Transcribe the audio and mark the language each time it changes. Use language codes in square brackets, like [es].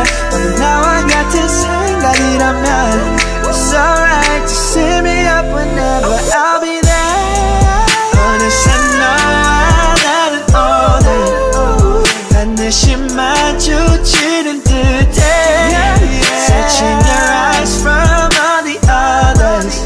[ko] 너도 나와 같은 생각이라면 [en] It's alright, just hit me up whenever I'll be there. [ko] 어느새 너와 나는 오늘 반드시 마주치는 듯해. [en] Searching your eyes from all the others.